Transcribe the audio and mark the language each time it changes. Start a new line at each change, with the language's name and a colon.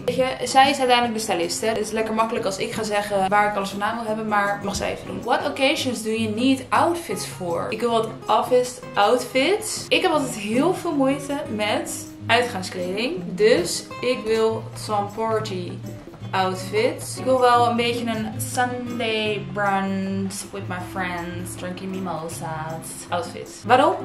Dutch: Weet je, zij is uiteindelijk de stylist, hè? Het is lekker makkelijk als ik ga zeggen waar ik alles vandaan wil hebben, maar mag zij even doen.
English: What occasions do you need outfits for?
Dutch: Ik wil wat office outfits. Ik heb altijd heel veel moeite met... uitgaanskleding. Dus ik wil
English: some party outfit.
Dutch: Ik wil wel een beetje een
English: Sunday brunch with my friends, drinking mimosas outfit.
Dutch: Waarom?